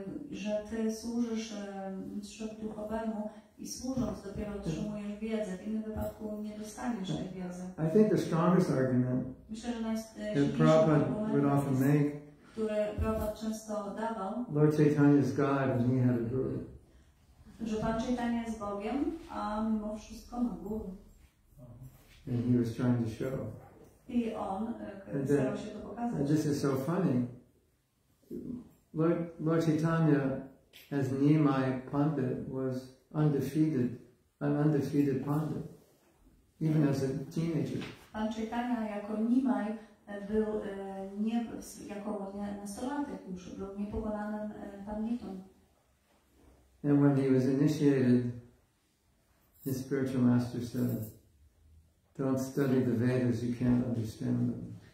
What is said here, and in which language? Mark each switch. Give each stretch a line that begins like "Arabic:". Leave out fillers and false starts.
Polish: Że ty służysz mistrzowi duchowemu i służąc dopiero otrzymujesz wiedzę. W innym wypadku nie dostaniesz tej wiedzy.
English: I think the strongest argument,
Polish: myślę, że najsilniejszy, który Prabhupada często dawał,
English: Lord Chaitanya is God and he had a guru.
Polish: Że Pan Chaitanya jest Bogiem, a mimo wszystko ma guru.
English: And he was trying to show.
Polish: I on starał się to pokazać.
English: And this is so funny. Lord Chaitanya, as Nimai Pandit, was undefeated, an undefeated Pandit, even as a teenager.
Polish: Pan Chaitanya jako Nimai był nie jako nastolatek już był niepokonanym panditom.
English: And when he was initiated, his spiritual master said, "Don't study the Vedas; you can't understand them."